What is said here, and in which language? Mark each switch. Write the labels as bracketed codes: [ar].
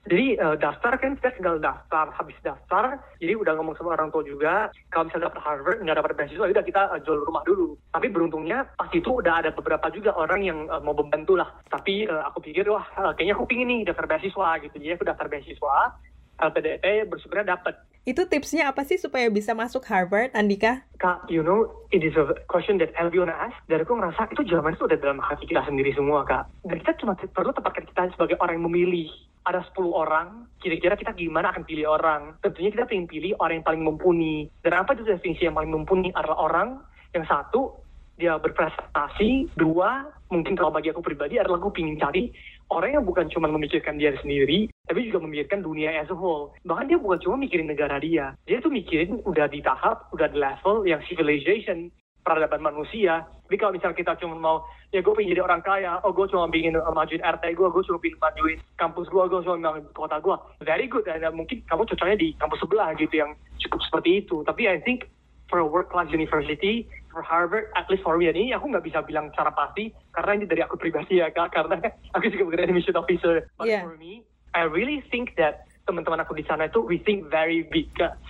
[id] Jadi daftar kan kita tinggal daftar, habis daftar, jadi udah ngomong sama orang tua juga, kalau misalnya daftar Harvard nggak dapat beasiswa, udah kita jual rumah dulu. Tapi beruntungnya pas itu udah ada beberapa juga orang yang mau membantu lah. Tapi aku pikir wah kayaknya aku pingin nih daftar beasiswa gitu, jadi aku daftar beasiswa. LPDP bersyukurnya dapat. Itu tipsnya apa sih supaya bisa masuk Harvard, Andika? [en] Kak, you know, it is a question that everyone asks. [id] Dan aku ngerasa itu jawabannya itu udah dalam hati kita sendiri semua, Kak. Dan kita cuma perlu tempatkan kita sebagai orang yang memilih. Ada 10 orang, kira-kira kita gimana akan pilih orang. Tentunya kita ingin pilih orang yang paling mumpuni. Dan apa itu definisi yang paling mumpuni adalah orang yang satu, dia berprestasi. Dua, mungkin kalau bagi aku pribadi adalah aku ingin cari orang yang bukan cuma memikirkan dia sendiri, tapi juga memikirkan dunia [en] as a whole. [id] Bahkan dia bukan cuma mikirin negara dia. Dia tuh mikirin udah di tahap, udah di level yang civilization, peradaban manusia. Tapi kalau misalnya kita cuma mau, ya gue pengen jadi orang kaya, oh gue cuma pengen majuin RT gue cuma pengen majuin kampus gue cuma pengen kota gue. [en] Very good, [id] dan mungkin kamu cocoknya di kampus sebelah gitu yang cukup seperti itu. Tapi [en] I think for a world-class university, for Harvard, at least for me, [id] ini aku nggak bisa bilang secara pasti, karena ini dari aku pribadi ya, Kak, karena aku juga bukan [en] admission officer. But yeah, for me, I really think that [id] teman-teman aku di sana itu, [en] we think very big, Kak.